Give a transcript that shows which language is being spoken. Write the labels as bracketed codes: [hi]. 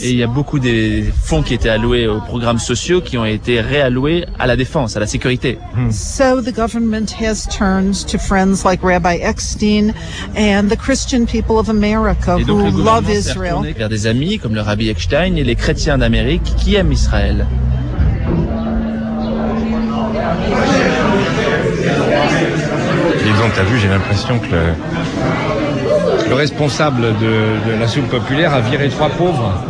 [fr] Et il y a beaucoup des fonds qui étaient alloués aux programmes sociaux qui ont été réalloués à la défense, à la sécurité. [en] So the government has turned to friends like Rabbi Eckstein and the Christian people of America who love Israel. [fr] Et donc vers des amis comme le Rabbi Eckstein et les chrétiens d'Amérique qui aime Israël. Disons, t'as vu, j'ai l'impression que le responsable de la soupe populaire a viré trois pauvres.